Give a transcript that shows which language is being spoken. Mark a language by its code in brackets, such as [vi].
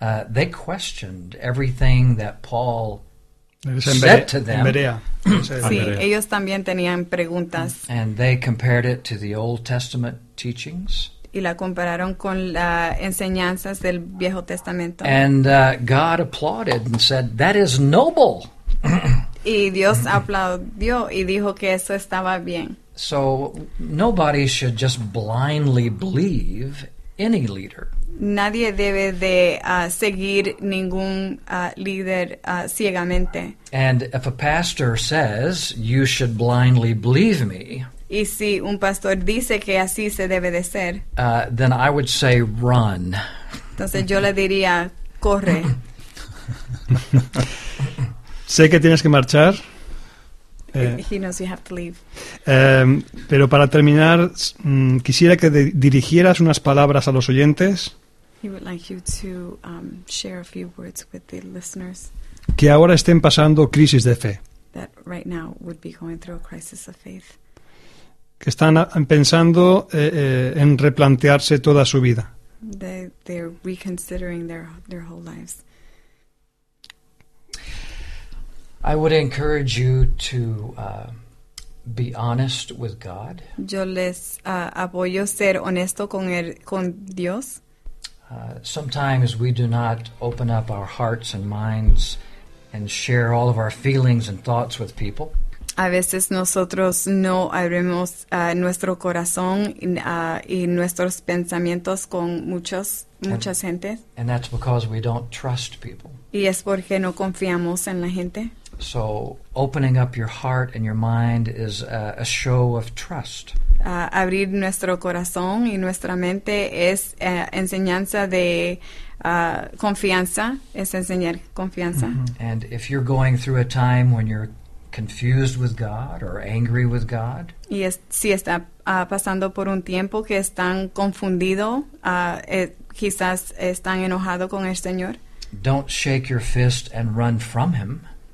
[en] They questioned everything that Paul said to them. [es] Sí, ellos también tenían preguntas. [en] And they compared it to the Old Testament teachings. [es] Y la compararon con las enseñanzas del Viejo Testamento. [en] And God applauded and said, that is noble. [es] Y Dios aplaudió y dijo que eso estaba bien. [en] So nobody should just blindly believe any leader. [es] Nadie debe de seguir ningún líder ciegamente. [en] And if a pastor says, you should blindly believe me. [es] Y si un pastor dice que así se debe de ser. [en] Then I would say run. [es] Entonces yo le diría, corre. Sé que tienes que marchar. [en] He knows you have to leave. [es] Pero para terminar, quisiera que dirigieras unas palabras a los oyentes. [en] He would like you to share a few words with the listeners. [es] Que ahora estén pasando crisis de fe. [en] That right now would be going through a crisis of faith. [es] Que están pensando en replantearse toda su vida. [en] They're reconsidering their whole lives. I would encourage you to be honest with God. [es] Yo les apoyo ser honesto con Dios. [en] Sometimes we do not open up our hearts and minds and share all of our feelings and thoughts with people. [es] A veces nosotros no abrimos nuestro corazón y nuestros pensamientos con muchas gentes. [en] And that's because we don't trust people. [es] Y es porque no confiamos en la gente. [en] So opening up your heart and your mind is a show of trust. [es] Abrir nuestro corazón y nuestra mente es enseñanza de confianza, es enseñar confianza. Mm-hmm. [en] And if you're going through a time when you're confused with God or angry with God, [es] y si está pasando por un tiempo que están confundido, quizás están enojado con el Señor. [en] Don't shake your fist and run from him.